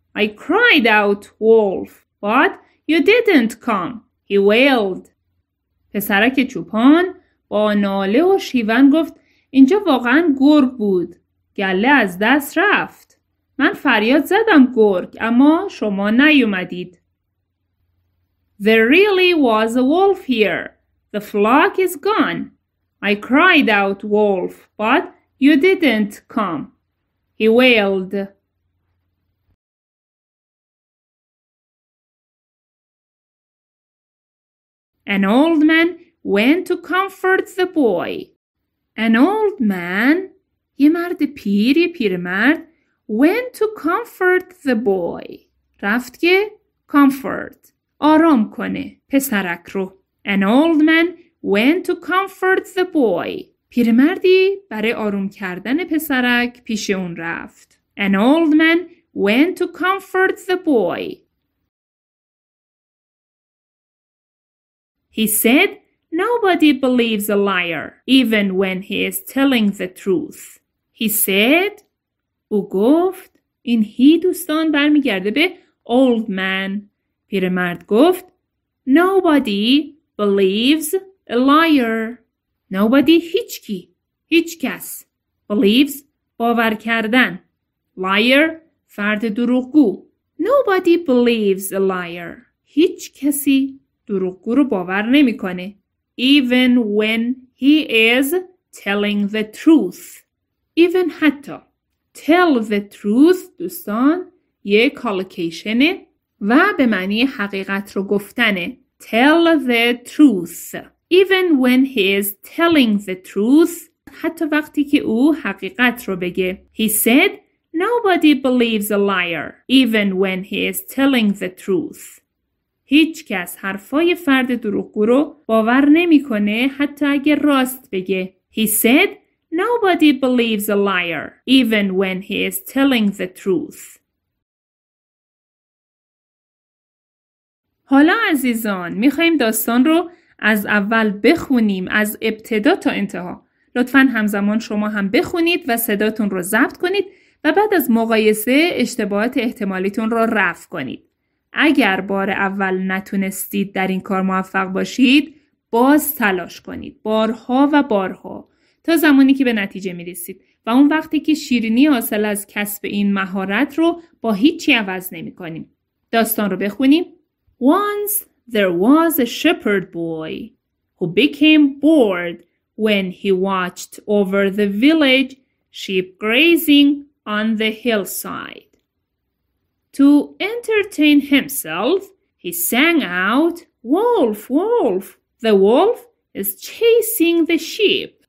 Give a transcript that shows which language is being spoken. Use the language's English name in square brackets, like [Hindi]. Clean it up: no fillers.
[English] I cried out, wolf, but you didn't come. He wailed. [Persian] پسرک چوپان با ناله و شیون گفت اینجا واقعا گرگ بود. گله از دست رفت. من فریاد زدم گرگ اما شما نیومدید. [English] There really was a wolf here. The flock is gone. I cried out, wolf, but you didn't come. He wailed. An old man went to comfort the boy. An old man, [Persian] یه مرد پیر, یه پیر مرد, [English] went to comfort the boy. [Persian] رفت که comfort, آرام کنه پسرک رو. [English] An old man went to comfort the boy. [Persian] پیرمردی برای آروم کردن پسرک پیش اون رفت. [English] An old man went to comfort the boy. He said, nobody believes a liar, even when he is telling the truth. He said, [Persian] او گفت, این هی دوستان برمی گرده به [English] old man. [Persian] پیرمرد گفت, [English] nobody believes a liar. [Persian] Nobody, هیچ کی, هیچ کس. Believes, باور کردن. [English] Liar, [Persian] فرد دروغگو. [English] Nobody believes a liar. [Persian] هیچ کسی دروغگو رو باور نمی کنه. [English] Even when he is telling the truth. Even حتی. Tell the truth, دوستان, یه collocationه [Persian] و به معنی حقیقت رو گفتنه. [English] Tell the truth. Even when he is telling the truth. [Persian] حتی وقتی که او حقیقت رو بگه. [English] He said, nobody believes a liar. Even when he is telling the truth. [Persian] هیچ کس حرفای فرد دروغگو رو باور نمی کنه حتی اگه راست بگه. [English] He said, nobody believes a liar, even when he is telling the truth. [Persian] حالا عزیزان، میخواییم داستان رو از اول بخونیم، از ابتدا تا انتها. لطفاً همزمان شما هم بخونید و صداتون رو ضبط کنید و بعد از مقایسه اشتباهات احتمالیتون رو رفع کنید. اگر بار اول نتونستید در این کار موفق باشید، باز تلاش کنید، بارها و بارها، تا زمانی که به نتیجه می رسید و اون وقتی که شیرینی حاصل از کسب این مهارت رو با هیچی عوض نمی کنیم. داستان رو بخونیم. [English] Once there was a shepherd boy who became bored when he watched over the village sheep grazing on the hillside. To entertain himself, he sang out, Wolf, wolf, the wolf is chasing the sheep.